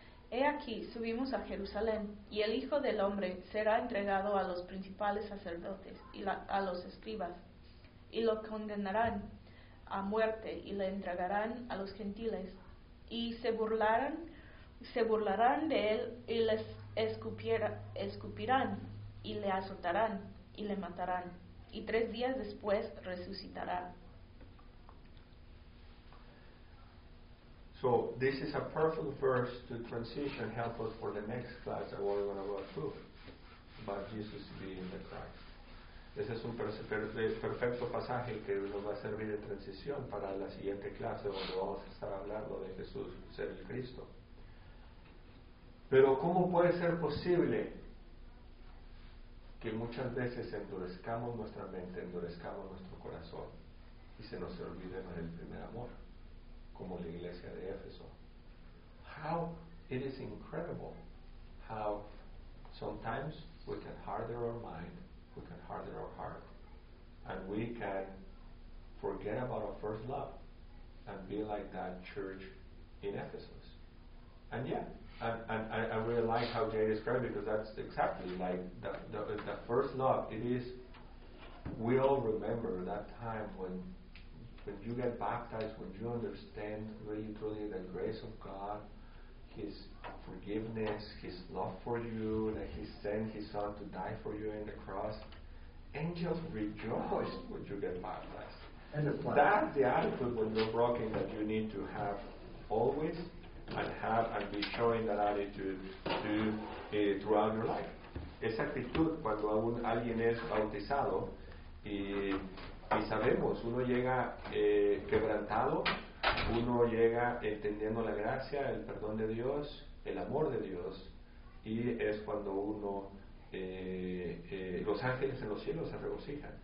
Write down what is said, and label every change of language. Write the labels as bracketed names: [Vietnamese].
[Spanish] He aquí, subimos a Jerusalén, y el Hijo del Hombre será entregado a los principales sacerdotes y a los escribas, y lo condenarán a muerte y le entregarán a los gentiles, y se burlarán de él y les escupirán y le azotarán y le matarán, y tres días después resucitará. [English] So this is a perfect verse to transition, help us for the next class that we're going to go through about Jesus being the Christ. [Spanish] Ese es un perfecto pasaje que nos va a servir de transición para la siguiente clase donde vamos a estar hablando de Jesús ser el Cristo. Pero ¿cómo puede ser posible que muchas veces endurezcamos nuestra mente, endurezcamos nuestro corazón y se nos olvide más el primer amor? Como la iglesia de Éfeso. [English] How it is incredible how sometimes we can harden our mind, we can harden our heart, and we can forget about our first love and be like that church in Ephesus. And yeah, I really like how Jay described it, because that's exactly like the first love. It is, we all remember that time when you get baptized, when you understand really truly the grace of God, His forgiveness, His love for you, that He sent His Son to die for you in the cross, angels rejoice when you get baptized. And that's the attitude when you're broken that you need to have always, and have and be showing that attitude to throughout your life. [Spanish] Esa actitud cuando alguien es bautizado y sabemos, uno llega quebrantado, uno llega entendiendo la gracia, el perdón de Dios, el amor de Dios, y es cuando uno, los ángeles en los cielos se regocijan.